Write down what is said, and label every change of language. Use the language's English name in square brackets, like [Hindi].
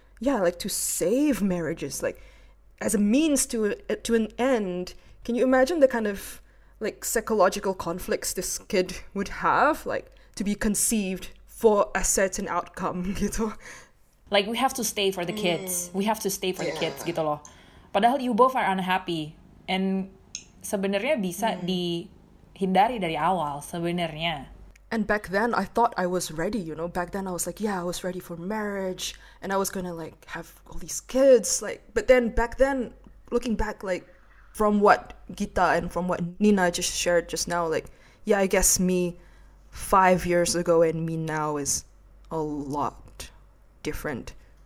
[English] Yeah, like, to save marriages. Like, as a means to an end. Can you imagine the kind of, like, psychological conflicts this kid would have? Like, to be conceived for a certain outcome gitu. Like, we have to stay for the kids. We have to stay for the kids, [Indonesian] gitu loh. [English] Padahal you both are unhappy. [Indonesian] And sebenarnya bisa dihindari dari awal, sebenarnya. [English] And back then, I thought I was ready, you know. Back then, I was like, yeah, I was ready for marriage. And I was gonna, like, have all these kids. Like, but then, back then, looking back, like, from what Gita and from what Nina just shared just now, like, yeah, I guess me 5 years ago and me now is a lot different.